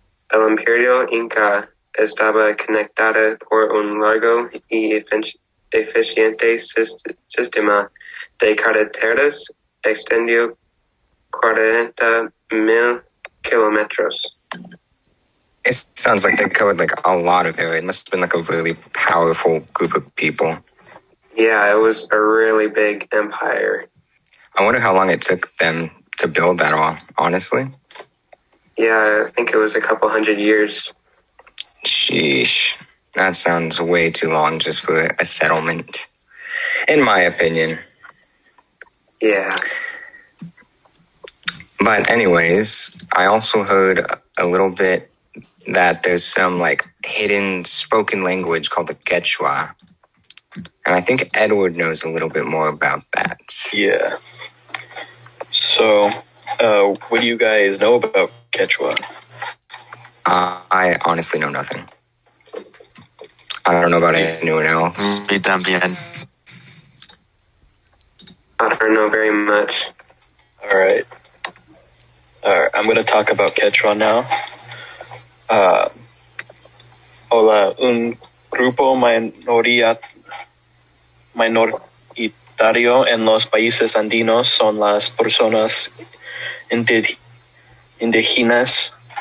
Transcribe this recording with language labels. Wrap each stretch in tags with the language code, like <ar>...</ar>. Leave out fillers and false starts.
<es>El Imperio Inca estaba conectado por un largo y eficiente sistema de carreteras, extendió 40,000 kilómetros.</es> <en>It sounds like they covered like a lot of area. It must have been like a really powerful group of people. Yeah, it was a really big empire. I wonder how long it took them to build that all, honestly. Yeah, I think it was a couple hundred years. Sheesh. That sounds way too long just for a settlement, in my opinion. Yeah. But anyways, I also heard a little bit that there's some like hidden spoken language called the Quechua. And I think Edward knows a little bit more about that. Yeah. So, what do you guys know about Quechua? I honestly know nothing. I don't know about anyone else.</en> <es>Me también.</es> <en>I don't know very much. All right. All right, I'm going to talk about Quechua now.</en> <es>Hola, un grupo minoritario en los países andinos son las personas indígenas.</es>